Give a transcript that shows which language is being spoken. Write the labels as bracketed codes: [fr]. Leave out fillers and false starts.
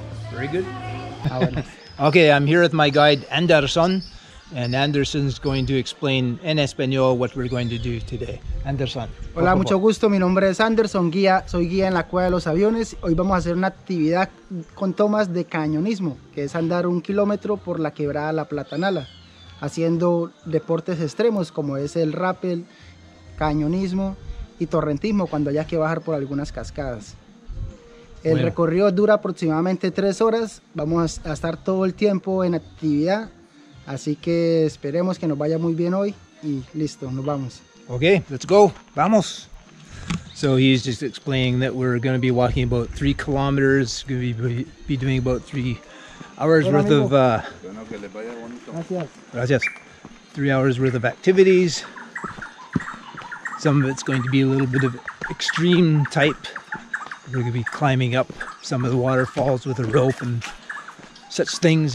[en] Very good. Okay, I'm here with my guide Anderson, and Anderson's going to explain in Espanol what we're going to do today. Anderson. [es] Hola, mucho gusto. Mi nombre es Anderson, guía. Soy guía en la Cueva de los Aviones. Hoy vamos a hacer una actividad con Tomás de cañonismo, que es andar 1 kilómetro por la quebrada La Platanala, haciendo deportes extremos como es el rappel, cañonismo y torrentismo cuando haya que bajar por algunas cascadas. El bueno. Recorrido dura aproximadamente 3 horas. Vamos a estar todo el tiempo en actividad. Así que esperemos que nos vaya muy bien hoy y listo, nos vamos. [en] Okay, let's go. [es] Vamos. [en] So he's just explaining that we're going to be walking about 3 kilometers, going to be doing about 3 hours worth of 3 hours worth of activities. Some of it's going to be a little bit of extreme type. We're going to be climbing up some of the waterfalls with a rope and such things.